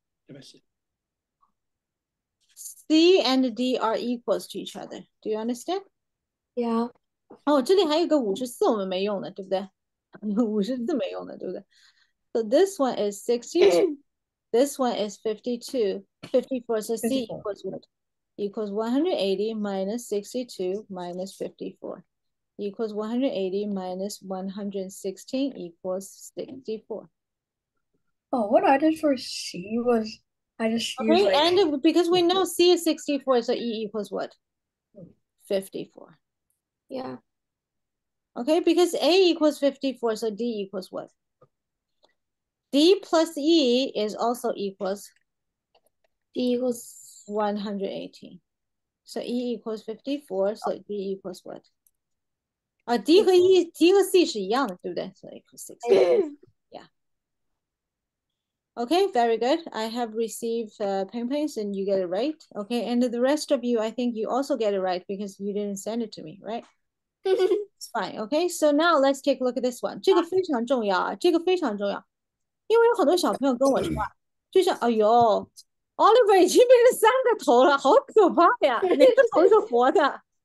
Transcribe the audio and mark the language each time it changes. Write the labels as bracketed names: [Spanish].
[English] C and D are equals to each other. Do you understand? Yeah. [Chinese] 哦,这里还有个54我们没用的,对不对?54没用的,对不对? [English] So this one is 62. This one is 52. 54, so C 54. Equals what? Equals 180 minus 62 minus 54. Equals 180 minus 116 equals 64. Oh, what I did for C was I just okay, used like... and because we know C is 64, so E equals what? 54. Yeah. Okay, because A equals 54, so D equals what? D plus E is also equals D equals 118. So E equals 54, so D equals what? [Chinese] D和C是一样的,对不对? [English] So equals 60. Yeah. Okay, very good. I have received Ping-Ping's and you get it right. Okay, and the rest of you, I think you also get it right because you didn't send it to me, right? It's fine, okay? So now let's take a look at this one. [Chinese] 这个非常重要啊。因为有很多小朋友跟我说,就像,哎呦, Oliver已经变成三个头了,好可怕呀。你的头是活的。